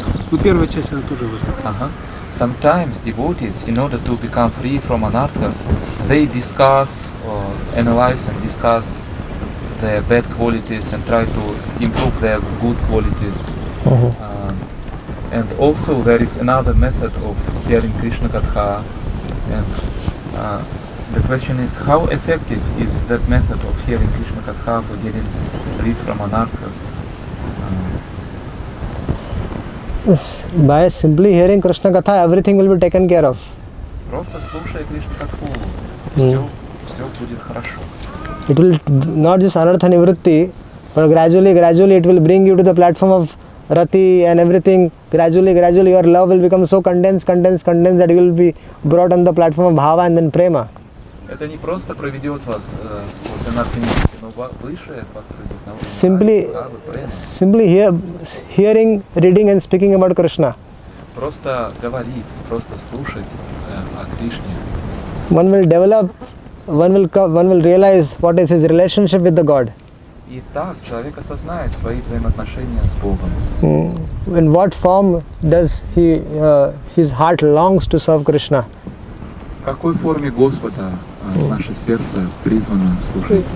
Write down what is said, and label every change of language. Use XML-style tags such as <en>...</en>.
<ru>Ну, первая часть, она тоже важна.</ru> <en>Sometimes devotees, in order to become free from anarthas, they discuss, analyze and discuss their bad qualities and try to improve their good qualities. And also, there is another method of hearing Krishna Katha. And the question is, how effective is that method of hearing Krishna Katha for getting free from anarthas? By simply hearing Krishna Katha, everything will be taken care of.</en> <ru>Просто слушая Кришна Катху, все будет хорошо.</ru> <en>It will not just anartha nivritti, but gradually it will bring you to the platform of rati and everything. Gradually your love will become so condensed that you will be brought on the platform of bhava and then prema.</en> <ru>Это не просто проведет вас сквозь анартха нивритти, но выше вас проведет.</ru> <en>Simply hearing, reading and speaking about Krishna.</en> <ru>Просто говорить, просто слушать о Кришне.</ru> <en>One will develop, one will realize what is his relationship with the God.</en> <ru>И так человек осознает свои взаимоотношения с Богом.</ru> <en>In what form does he his heart longs to serve Krishna?</en> <ru>В какой форме Господа наше сердце призвано служить?</ru>